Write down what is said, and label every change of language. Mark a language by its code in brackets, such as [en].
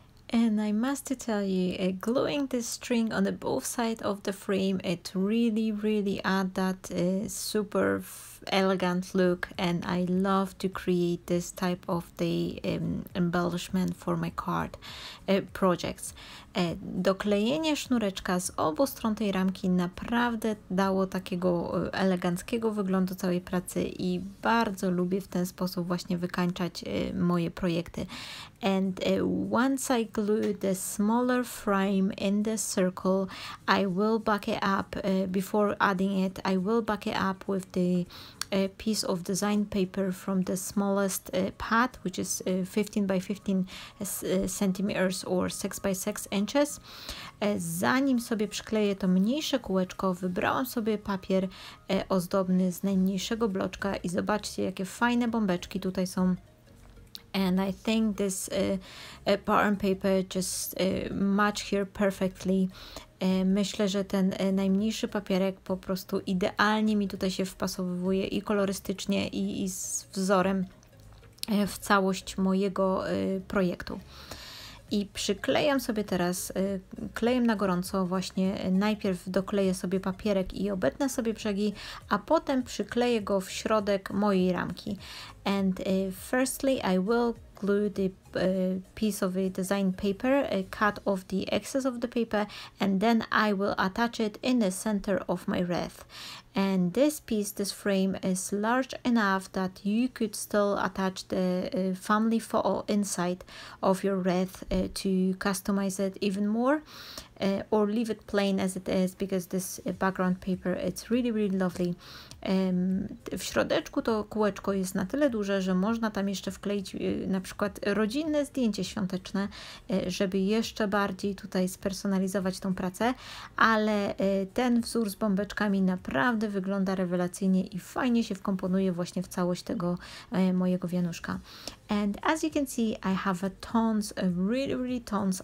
[en] And I must tell you, gluing this string on the both side of the frame, it really, really add that super elegant look. And I love to create this type of the embellishment for my card projects. [pl] Doklejenie sznureczka z obu stron tej ramki naprawdę dało takiego eleganckiego wyglądu całej pracy i bardzo lubię w ten sposób właśnie wykańczać moje projekty. [en] And once I glue the smaller frame in the circle, I will back it up before adding it. I will back it up with the piece of design paper from the smallest pad, which is 15 by 15 centimeters or 6 by 6 inches. [pl] Zanim sobie przykleję to mniejsze kółeczko, wybrałam sobie papier ozdobny z najmniejszego bloczka i zobaczcie, jakie fajne bombeczki tutaj są. [en] And I think this pattern paper just match here perfectly. [pl] Myślę, że ten najmniejszy papierek po prostu idealnie mi tutaj się wpasowuje i kolorystycznie, i z wzorem w całość mojego projektu. I przyklejam sobie teraz klejem na gorąco, właśnie najpierw dokleję sobie papierek i obetnę sobie brzegi, a potem przykleję go w środek mojej ramki. [en] And firstly I will glue the piece of a design paper, cut off the excess of the paper, and then I will attach it in the center of my wreath. And this piece, this frame is large enough that you could still attach the family photo inside of your wreath to customize it even more, or leave it plain as it is, because this background paper, it's really, really lovely. [pl] W środeczku to kółeczko jest na tyle duże, że można tam jeszcze wkleić na przykład rodzinne zdjęcie świąteczne, żeby jeszcze bardziej tutaj spersonalizować tą pracę, ale ten wzór z bombeczkami naprawdę wygląda rewelacyjnie i fajnie się wkomponuje właśnie w całość tego mojego wianuszka. [en] And as you can see, I have a tons, a really, really tons.